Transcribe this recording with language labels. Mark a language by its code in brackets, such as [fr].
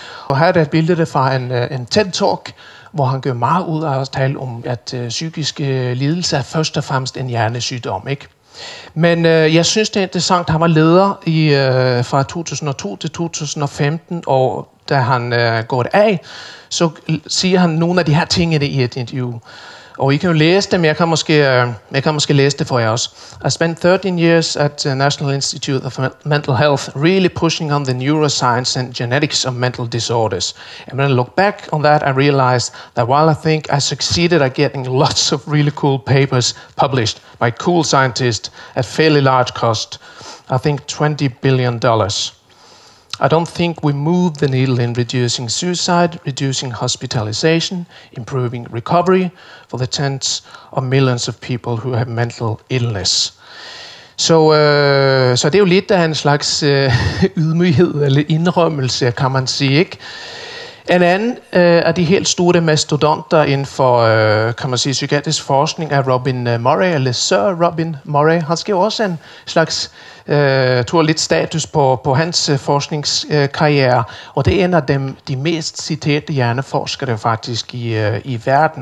[da] Og her er der et billede fra en TED-talk, hvor han gør meget ud af at tale om, at psykiske lidelser er først og fremmest en hjernesygdom, ikke? Men jeg synes, det er interessant, at han var leder fra 2002 til 2015, og da han går det af, så siger han nogle af de her ting i et interview. Og I kan jo læse dem, jeg kan måske læse det for jer også. [en] I spent 13 years at the National Institute of Mental Health really pushing on the neuroscience and genetics of mental disorders. And when I look back on that, I realized that while I think I succeeded at getting lots of really cool papers published by cool scientists at fairly large cost, I think $20 billion. I don't think we move the needle in reducing suicide, reducing hospitalization, improving recovery for the tens of millions of people who have mental illness. [da] Så det er jo lidt af en slags ydmyghed eller indrømmelse, kan man sige, ikke? En anden af de helt store mastodonter inden for, kan man sige, psykiatrisk forskning er Robin Murray, eller Sir Robin Murray. Han skrev også en slags, tog lidt status på hans forskningskarriere, og det er en af de mest citerede hjerneforskere faktisk i verden.